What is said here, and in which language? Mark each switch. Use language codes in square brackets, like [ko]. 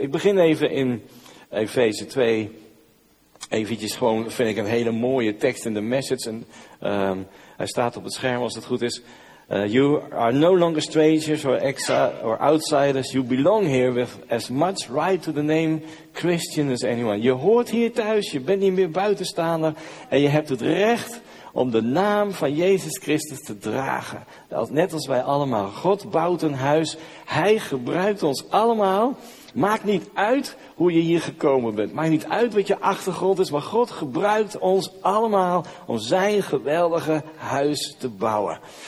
[nl] Ik begin even in Efeze 2. Eventjes gewoon, vind ik een hele mooie tekst in de Message. En hij staat op het scherm als het goed is. [en] You are no longer strangers or outsiders. You belong here with as much right to the name Christian as anyone. [nl] Je hoort hier thuis, je bent niet meer buitenstaander. En je hebt het recht om de naam van Jezus Christus te dragen. Net als wij allemaal. God bouwt een huis. Hij gebruikt ons allemaal. Maakt niet uit hoe je hier gekomen bent. Maakt niet uit wat je achtergrond is. Maar God gebruikt ons allemaal om zijn geweldige huis te bouwen.